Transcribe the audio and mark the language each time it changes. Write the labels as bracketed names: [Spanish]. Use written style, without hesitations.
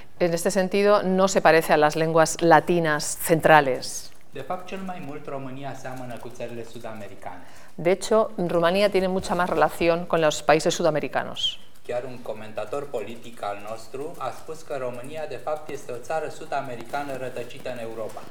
[Spanish] En este sentido, no se parece a las lenguas latinas centrales. [Romanian] De fapt, cel mai mult România seamănă cu țările sudamericane. [Spanish] De hecho, România tiene mucha más relación con los países sudamericanos. [Romanian] Chiar un comentator politic al nostru a spus că România, de fapt, este o țară sudamericană rătăcită în Europa.